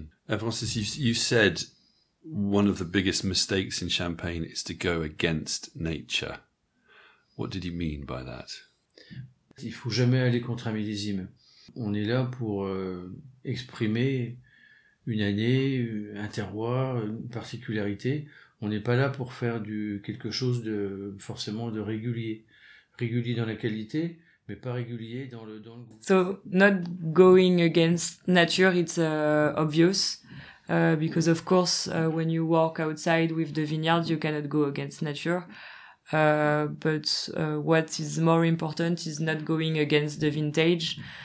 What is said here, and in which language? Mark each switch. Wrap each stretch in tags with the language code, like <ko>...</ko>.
<en>And Francis, you said one of the biggest mistakes in champagne is to go against nature. What did you mean by that?</en> <fr>Il faut jamais aller contre un millésime. On est là pour exprimer une année, un terroir, une particularité. On n'est pas là pour faire quelque chose de forcément de régulier. Régulier dans la qualité, mais pas régulier dans le goût.</fr> <en>So, not going against nature, it's obvious. Because of course, when you walk outside with the vineyards, you cannot go against nature. But what is more important is not going against the vintage.</en>